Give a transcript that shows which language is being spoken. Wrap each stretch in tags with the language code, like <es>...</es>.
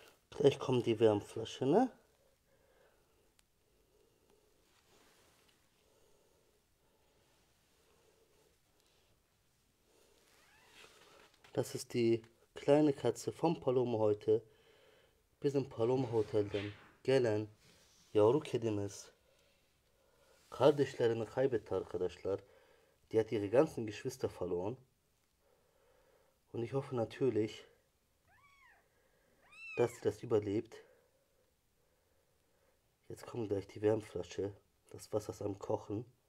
<de>Gleich kommt die Wärmflasche, ne? Das ist die kleine Katze vom Palomo heute.</de> <tr>Bizim Palomo Hotel'den gelen yavru kedimiz. Kardeşlerini kaybetti arkadaşlar.</tr> <de>Die hat ihre ganzen Geschwister verloren. Und ich hoffe natürlich, dass sie das überlebt. Jetzt kommt gleich die Wärmflasche. Das Wasser ist am Kochen.</de>